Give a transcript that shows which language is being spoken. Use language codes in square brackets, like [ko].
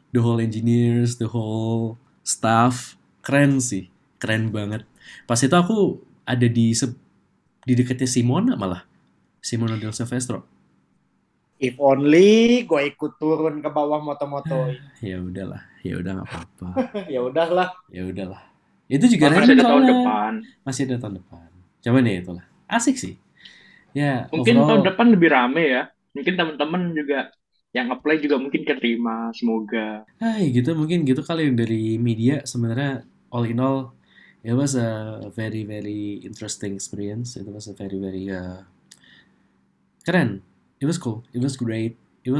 [en] The whole engineers, the whole staff. [id] Keren sih, keren banget. Pas itu aku ada di deketnya Simona malah. Simona Del Silvestro. [en] If only [id] gue ikut turun ke bawah moto-moto. Ya udahlah, ya udah nggak apa-apa. Ya udahlah. Ya udahlah. Itu juga masih ada tahun depan. Masih ada tahun depan. Coba nih itulah. Asik sih. Ya. Mungkin overall, tahun depan lebih rame ya. Mungkin teman-teman juga yang apply juga mungkin keterima, semoga. Hai, gitu mungkin gitu kali dari media. [en] Sebenarnya all in all, it was a very very interesting experience. It was a very very keren. It was cool, it was great, it was